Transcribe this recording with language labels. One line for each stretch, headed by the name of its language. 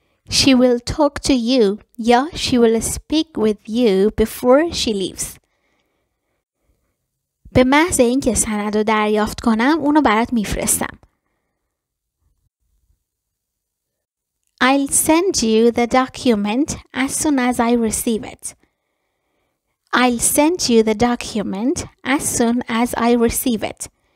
English: She will talk to you
Persian: یا
English: she will speak with you before she leaves.
Persian: به محض این که سند رو دریافت کنم اونو برات میفرستم.
English: I'll send you the document as soon as I receive it. I'll send you the document as soon as I receive it.